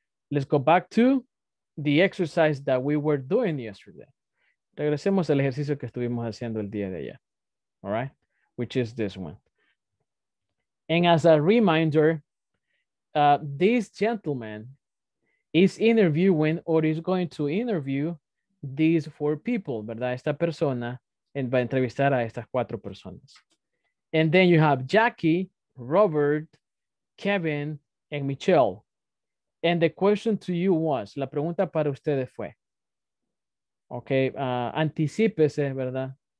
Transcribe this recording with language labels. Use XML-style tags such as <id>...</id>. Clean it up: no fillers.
<en>Let's go back to the exercise that we were doing yesterday.</en> <es>Regresemos al ejercicio que estuvimos haciendo el día de ayer.</es> <en>All right? Which is this one. And as a reminder, this gentleman is interviewing or is going to interview these four people,</en> <es>¿verdad? Esta persona va a entrevistar a estas cuatro personas.</es> <en>And then you have Jackie, Robert, Kevin, and Michelle. And the question to you was,</en> <es>la pregunta para ustedes fue,</es> <en>okay,</en> <es>anticípese, ¿verdad?</es>